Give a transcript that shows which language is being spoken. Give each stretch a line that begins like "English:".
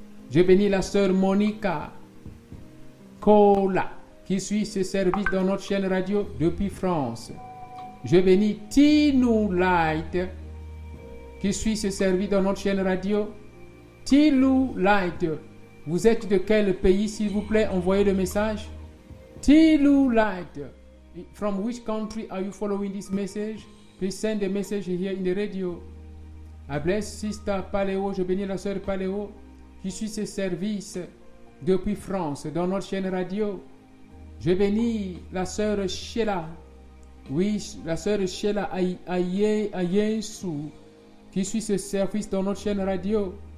French: Je bénis la sœur Monica Cola qui suit ce service dans notre chaîne radio depuis France. Je bénis Tilou Light qui suit ce service dans notre chaîne radio. Tilou Light, vous êtes de quel pays, s'il vous plaît, envoyez le message.
English: Tilou Light, from which country are you following this message? Please send the message here in the radio. I bless Sister Paléo,
French: je bénis la sœur Paléo qui suit ce service depuis France, dans notre chaîne radio. Je bénis la sœur Sheila. Oui, la sœur Sheila Ayensou, qui suit ce service dans notre chaîne radio.